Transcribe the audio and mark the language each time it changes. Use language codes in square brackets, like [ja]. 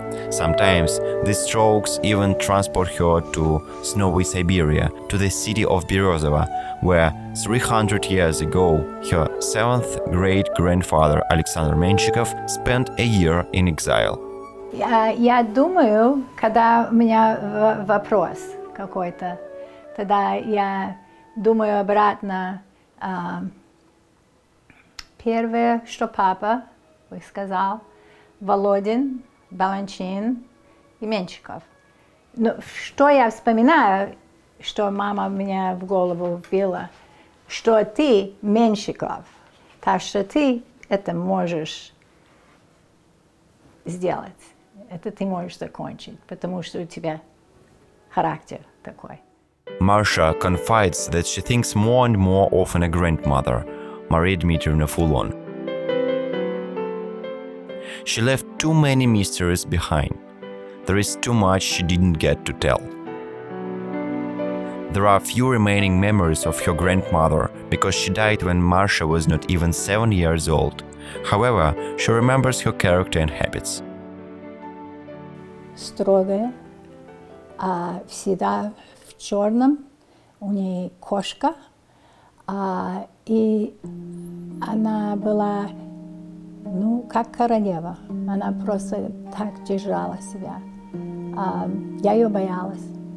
[en] Sometimes these strokes even transport her to snowy Siberia, to the city of Berezova, where 300 years ago her seventh great-grandfather Александр Меншиков spent a year in exile. [ru] Я думаю, когда у меня вопрос какой-то, тогда я думаю обратно. Первое, что папа сказал, Володин, Баланчин и Меншиков. Но что я вспоминаю, что мама мне в голову вбила, что ты Меншиков, так что ты это можешь сделать. Это ты можешь закончить, потому что у тебя характер такой. [en] Marsha confides that she thinks more and more often a grandmother, Maria Dmitrievna Fulon. She left too many mysteries behind. There is too much she didn't get to tell. There are few remaining memories of her grandmother because she died when Marsha was not even 7 years old. However, she remembers her character and habits. [ru] Строгая, всегда в черном, у нее кошка, и она была, ну, как королева. Она просто так держала себя. Я ее боялась.